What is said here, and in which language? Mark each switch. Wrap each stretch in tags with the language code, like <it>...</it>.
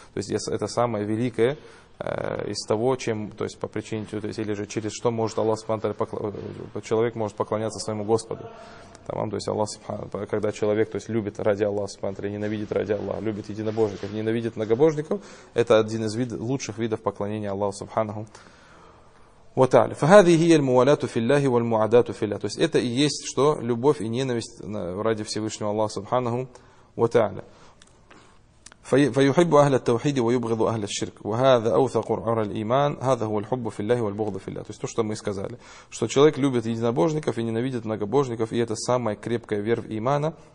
<ru>То есть это самое великое из того, чем, то есть по причине, то есть, или же через что может Аллах субхана тааля человек может поклоняться своему Господу. Тамам, то есть Аллах субхана тааля, когда человек то есть, любит ради Аллаха субхана тааля, ненавидит ради Аллаха, любит единобожников, ненавидит многобожников, это один из видов, лучших видов поклонения Аллаху субханаху.</ru> <ar>فهذه هي الموالاة في الله والمعاداة في الله.</ar> <ru>То есть это и есть что? Любовь и ненависть ради Всевышнего Аллаха Субханаху ва Тааля.</ru> <ar>فيحب أهل التوحيد ويبغض أهل الشرك وهذا أوثق عرى الإيمان هذا هو الحب في الله والبغض في الله.</ar> <ru>То есть то, что мы сказали, что человек любит единобожников и ненавидит многобожников, и это самая крепкая вера в имана.</ru>